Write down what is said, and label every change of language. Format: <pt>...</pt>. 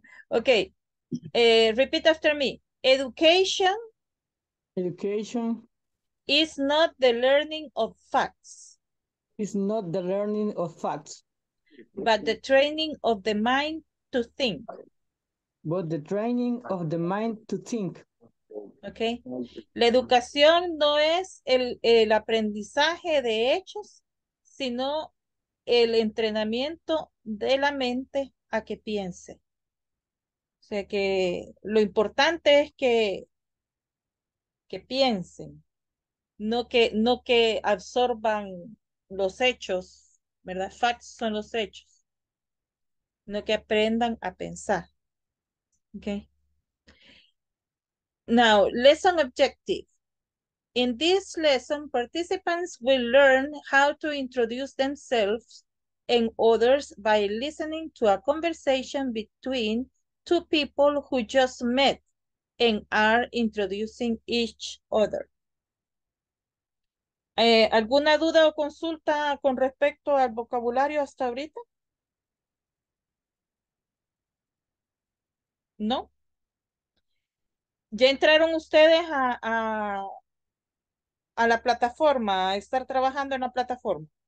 <en>Okay, repeat after me. Education. Education is not the learning of facts. It's not the learning of facts. But the training of the mind to think. But the training of the mind to think. Okay.</en> <es>La educación no es el aprendizaje de hechos, sino el entrenamiento de la mente a que piense. O sea que lo importante es que piensen, no que absorban los hechos, ¿verdad? Facts son los hechos, no que aprendan a pensar.</es> <en>Okay. Now, lesson objective. In this lesson, participants will learn how to introduce themselves and others by listening to a conversation between two people who just met and are introducing each other.</en> <es>¿Alguna duda o consulta con respecto al vocabulario hasta ahorita? ¿No? ¿Ya entraron ustedes a la plataforma, a estar trabajando en la plataforma?</es>